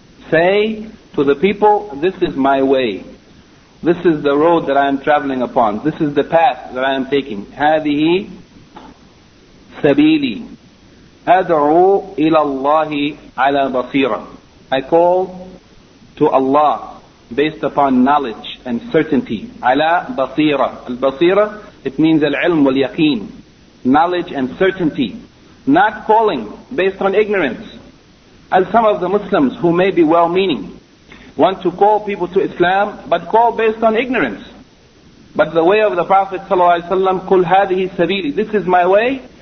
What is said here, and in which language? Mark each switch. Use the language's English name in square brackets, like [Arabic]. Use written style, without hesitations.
[English] Say to the people, this is my way. This is the road that I am traveling upon. This is the path that I am taking. [Arabic] هَذِهِ سَبِيلِي. أَدْعُوا إِلَى اللَّهِ عَلَى بَصِيرًا. [English] I call to Allah based upon knowledge and certainty. [Arabic] عَلَى بَصِيرًا. البَصِيرًا, [English] it means [Arabic] العلم واليقين. [English] Knowledge and certainty. Not calling based on ignorance. As some of the Muslims who may be well-meaning want to call people to Islam, but call based on ignorance. But the way of the Prophet ﷺ, [Arabic] قُلْ هَذِهِ سَبِيلِي. [English] This is my way.